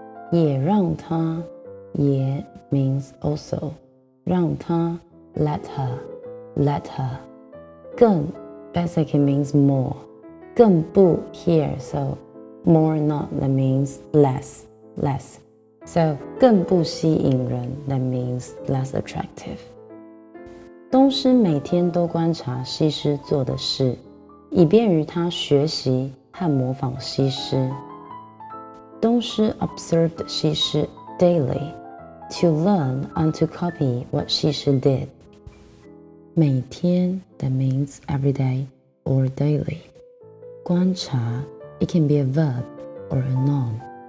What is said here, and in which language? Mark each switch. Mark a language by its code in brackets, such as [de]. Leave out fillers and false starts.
[zh] 也让他也 [en] means also 让他 let her 更Basically means more. 更不 here, so more not, that means less. So [zh] 更不吸引人 [en] that means less attractive. [zh] 东施每天都观察西施做的事以便于她学习和模仿西施。 [en] Dongshi observed Shishi daily to learn and to copy what Shishi did. 每天 that means every day or daily. 观察 it can be a verb or a noun.